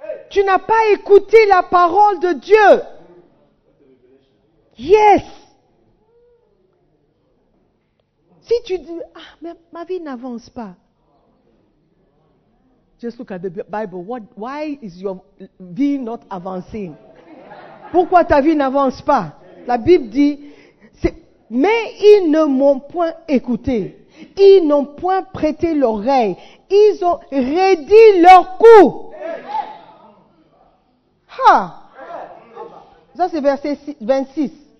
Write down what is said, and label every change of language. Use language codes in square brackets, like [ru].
[fr] Tu n'as pas écouté la parole de Dieu. Yes. Si tu dis, ah, mais ma vie n'avance pas. [en] Just look at the Bible. Why is your vie not avancing? [fr] Pourquoi ta vie n'avance pas? La Bible dit, mais ils ne m'ont point écouté. Ils n'ont point prêté l'oreille. Ils ont raidi leur cou. Ha! Ça, c'est verset 26.